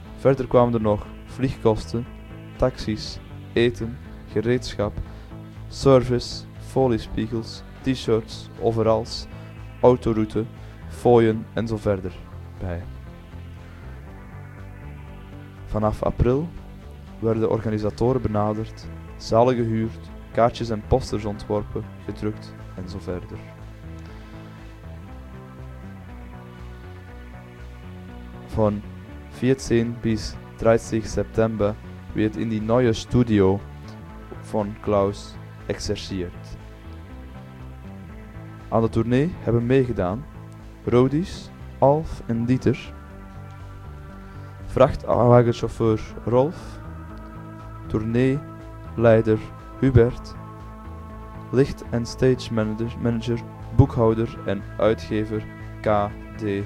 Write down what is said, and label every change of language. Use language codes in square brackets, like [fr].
[nl] Verder kwamen er nog vliegkosten, taxis, eten, gereedschap, service, foliespiegels, t-shirts, overals, autoroute, fooien en zo verder bij. Vanaf april werden organisatoren benaderd, zalen gehuurd, kaartjes en posters ontworpen, gedrukt en zo verder. [de] Von 14 bis 30 September wird in die neue Studio von Klaus exerciert. [nl] Aan de tournee hebben meegedaan Rodis, Alf en Dieter, vrachtwagenchauffeur Rolf, tourneeleider Hubert, licht- en stage manager, boekhouder en uitgever K.D.